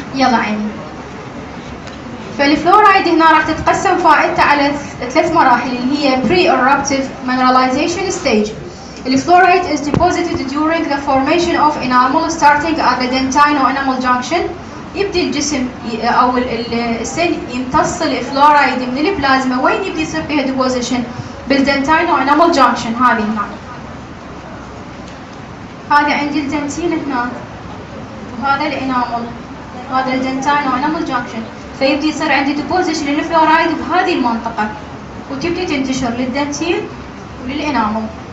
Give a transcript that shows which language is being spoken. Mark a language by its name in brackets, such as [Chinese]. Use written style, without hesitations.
[Arabic] يلا عيني، فالفلورايد هنا راح تتقسم فائدته على 3 مراحل اللي هي [English] pre eruptive mineralization stage. الفلورايد is deposited during the formation of enamel starting at the dentino enamel junction. [Arabic] يبدي الجسم او السن يمتص الفلورايد من البلازما، وين يبدي يصير فيها deposition؟ بالدنتينو enamel junction هذه هنا. هذا عندي الجنتين هنا وهذا الانامل وهذا الجنتين وانامل جانكشن فيبدي يصير عندي ديبوزيشن للفلورايد بهذه المنطقة وتبدي تنتشر للدنتين وللانامل.